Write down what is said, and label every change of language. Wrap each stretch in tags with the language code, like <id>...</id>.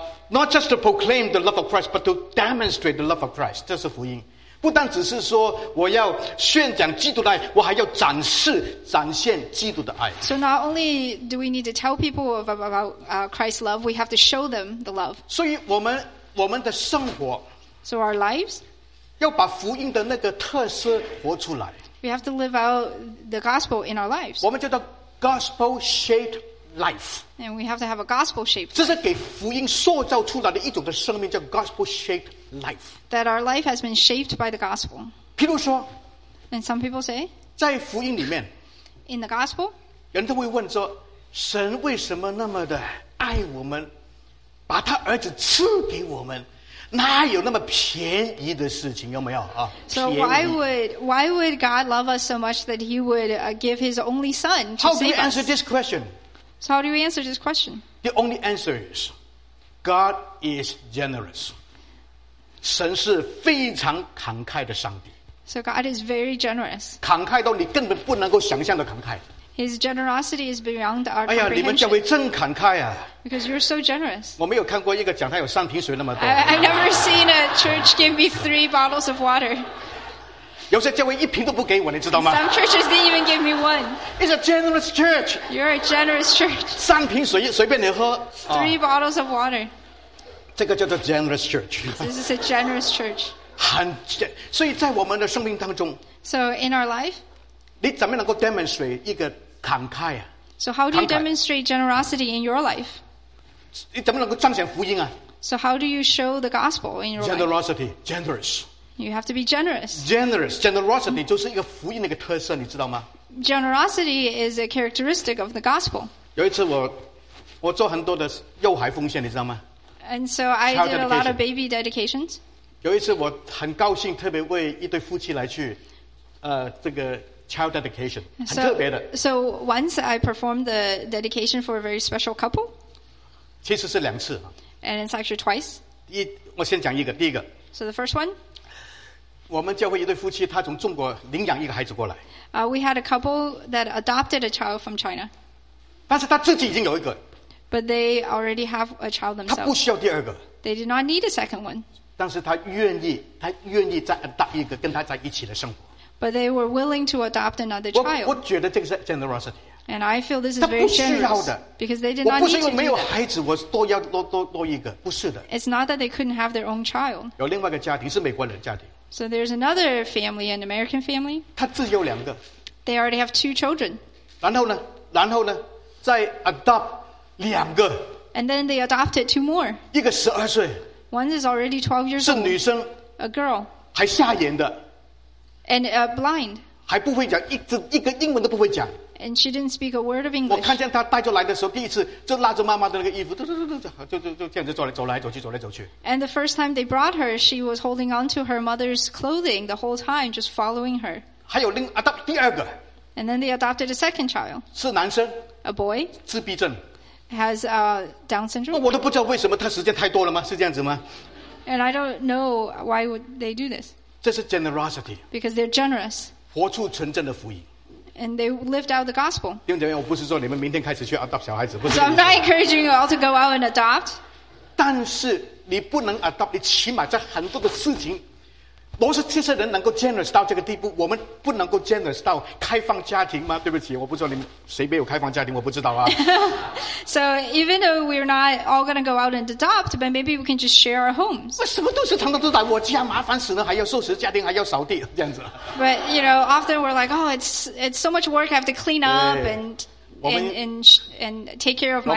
<en>Not just to proclaim the love of Christ, but to demonstrate the love of Christ.</en> <zh>这是福音。不但只是说我要宣讲基督的爱，我还要展现基督的爱。</zh> <en>So not only do we need to tell people about Christ's love, we have to show them the love.</en> <zh>所以我们的生活。</zh> <en>So our lives,</en> <zh>要把福音的那个特色活出来。</zh> <en>We have to live out the gospel in our lives.</en> <zh>我们叫做</zh> <en>gospel-shaped life. And we have to have a gospel-shaped.</en> <zh>这是给福音塑造出来的一种的生命，叫</zh> <en>gospel-shaped life. That our life has been shaped by the gospel.</en> <zh>譬如说</zh> <en>，and some people say,</en> <zh>在福音里面</zh> <en>，in the gospel,</en> <zh>人都会问说，神为什么那么的爱我们，把他儿子赐给我们？哪有那么便宜的事情？有没有啊</zh> <en>？So why would God love us so much that He would give His only Son to save us? How do we answer this question? So how do we answer this question? The only answer is, God is generous.</en> <zh>神是非常慷慨的上帝。</zh> <en>So God is very generous.</en> <zh>慷慨到你根本不能够想象的慷慨。</zh> <en>His generosity is beyond our comprehension.</en> <zh>哎呀，你们教会真慷慨啊！</zh> <en>Because you're so generous.</en> <zh>我没有看过一个讲台有3瓶水那么多。</zh> <en>I've never seen a church give me 3 bottles of water.</en> <zh>有些教会一瓶都不给我，你知道吗？</zh> <en>Some churches didn't even give me 1. It's a generous church. You're a generous church.</en> <zh>3瓶水随便你喝。</zh> <en>3 bottles of water.</en> <zh>这个叫做</zh> <en>generous church. This is a generous church.</en> <zh>很，所以在我们的生命当中。</zh> <en>So in our life.</en> <zh>你怎么能够 demonstrate 一个慷慨啊。</zh> <en>So how do you demonstrate generosity in your life?</en> <zh>你怎么能够彰显福音啊？</zh> <en>So how do you show the gospel in your life? Generosity, generous. You have to be generous. Generous, generosity</en> <zh>就是一个福音的一个特色，你知道吗？</zh> <en>Generosity is a characteristic of the gospel.</en> <zh>有一次我做很多的幼孩奉献，你知道吗？</zh> <en>And so I did a lot of baby dedications.</en> <zh>有一次我很高兴，特别为一对夫妻来去，这个。</zh> <en>Child dedication,</en> <zh>很特别的。</zh> <en>So once I performed the dedication for a very special couple.</en> <zh>其实是两次。</zh> <en>And it's actually twice.</en> <zh>我先讲一个，第一个。</zh> <en>So the first one.</en> <zh>我们教会一对夫妻，他从中国领养一个孩子过来。</zh> <en>We had a couple that adopted a child from China.</en> <zh>但是他自己已经有一个。</zh> <en>But they already have a child themselves.</en> <zh>他不需要第二个。</zh> <en>They did not need a second one.</en> <zh>但是他愿意再 adopt 一个跟他在一起的生活。</zh> <en>But they were willing to adopt another child.</en> <zh>我觉得这个是 generosity.</zh> <en>And I feel this is very generous. Because they did not need to.</en> <zh>我不是因为没有孩子，我多要多一个，不是的。</zh> <en>It's not that they couldn't have their own child.</en> <zh>有另外一个家庭是美国人家庭。</zh> <en>So there's another family, an American family.</en> <zh>他自己有两个。</zh> <en>They already have two children.</en> <zh>然后呢，再 adopt 两个。</zh> <en>And then they adopted two more.</en> <zh>一个十二岁。</zh> <en>One is already 12 years old.</en> <zh>是女生。</zh> <en>A girl.</en> <zh>还瞎眼的。</zh> <en>And blind.</en> <zh>还不会讲一个英文都不会讲。</zh> <en>And she didn't speak a word of English.</en> <zh>我看见她带着来的时候，第一次就拉着妈妈的那个衣服，就这样子走来走去。</zh> <en>And the first time they brought her, she was holding on to her mother's clothing the whole time, just following her.</en> <zh>还有另 adopt 第二个。</zh> <en>And then they adopted a second child.</en> <zh>是男生。</zh> <en>A boy.</en> <zh>自闭症。</zh> <en>Has Down syndrome.</en> <zh>我都不知道为什么他时间太多了吗？是这样子吗</zh> <en>？And I don't know why would they do this.</en> <zh>这是 generosity,</zh> <en>because they're generous,</en> <zh>活出纯正的福音,</zh> <en>and they lived out the gospel.</en> <zh>弟兄姐妹，我不是说你们明天开始去 adopt 小孩子，不是。</zh> <en>So I'm not encouraging you all to go out and adopt.</en> <zh>但是你不能 adopt, 你起码在很多的事情，不是这些人能够 generous 到这个地步，我们不能够 generous 到开放家庭吗？对不起，我不知道你们谁没有开放家庭，我不知道啊。</zh> <en>So even though we're not all going to go out and adopt, but maybe we can just share our homes.</en> <zh>什么都是常常都在我家，麻烦死了，还要收拾家庭，还要扫地，这样子。</zh> <en>But you know, often we're like, oh, it's so much work. I have to clean up and take care of my house.</en>